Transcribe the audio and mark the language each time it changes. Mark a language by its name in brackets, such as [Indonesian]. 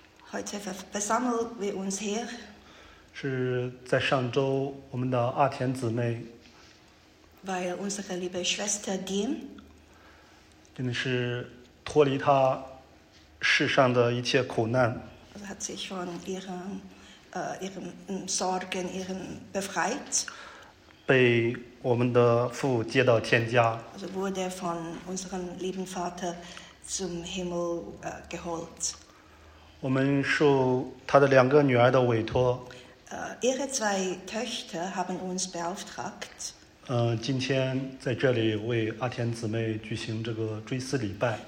[German] Heute versammeln wir uns hier。 [Chinese] 是在上周，我们的阿田姊妹。 [German] Weil unsere liebe Schwester Dien。 [Chinese] 真的是脱离她世上的一切苦难。 [German] Hat sich von ihren ihren Sorgen, ihren befreit, [Chinese] 被我们的父接到天家 [German] also wurde von unserem lieben Vater zum Himmel geholt. [Chinese] 我们受他的两个女儿的委托 [German] ihre zwei Töchter haben uns beauftragt, [Chinese] 今天在这里为阿田姊妹举行这个追思礼拜